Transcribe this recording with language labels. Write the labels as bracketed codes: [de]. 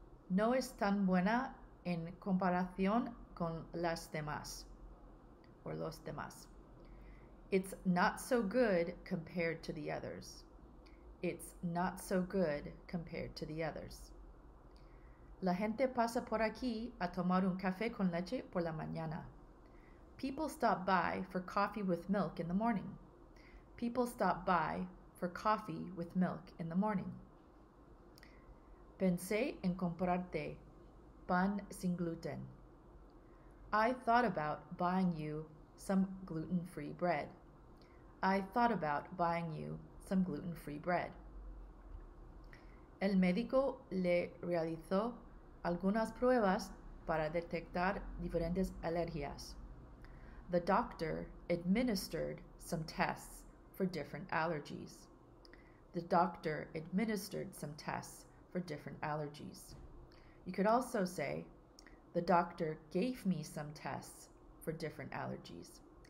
[es] No es tan buena en comparación con las demás, or los demás. [en] It's not so good compared to the others. It's not so good compared to the others. [es] La gente pasa por aquí a tomar un café con leche por la mañana. [en] People stop by for coffee with milk in the morning. People stop by for coffee with milk in the morning. [es] Pensé en comprarte pan sin gluten. [en] I thought about buying you some gluten-free bread. I thought about buying you some gluten-free bread. [es] El médico le realizó algunas pruebas para detectar diferentes alergias. [en] The doctor administered some tests for different allergies. The doctor administered some tests for different allergies. You could also say, the doctor gave me some tests for different allergies.